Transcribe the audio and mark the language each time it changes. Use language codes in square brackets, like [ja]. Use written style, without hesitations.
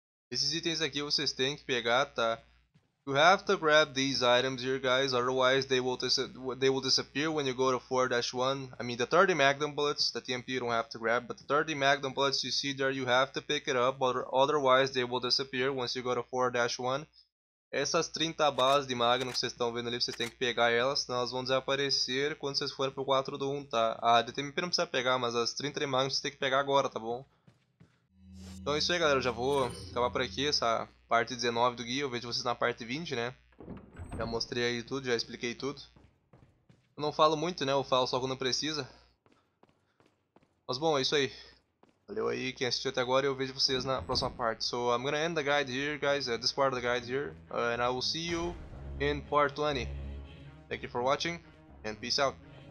[pt] Esses itens aqui vocês têm que pegar, tá? [en] You have to grab these items here, guys, otherwise they will disappear when you go to 4-1. I mean, the 30 Magnum bullets, the TMP you don't have to grab, but the 30 Magnum bullets you see there, you have to pick it up, otherwise they will disappear once you go to 4-1. [pt] Essas 30 balas de Magnum que vocês estão vendo ali, vocês têm que pegar elas, senão elas vão desaparecer quando vocês forem pro 4-1, tá? A TMP não precisa pegar, mas as 30 de Magnum vocês têm que pegar agora, tá bom? Então é isso aí, galera, eu já vou acabar por aqui essa parte 19 do guia, eu vejo vocês na parte 20, né? Já mostrei aí tudo, já expliquei tudo. Eu não falo muito, né? Eu falo só quando precisa. Mas bom, é isso aí. Valeu aí quem assistiu até agora e eu vejo vocês na próxima parte. [en] So I'm gonna end the guide here, guys, this part of the guide here. And I will see you in part 20. Thank you for watching and peace out.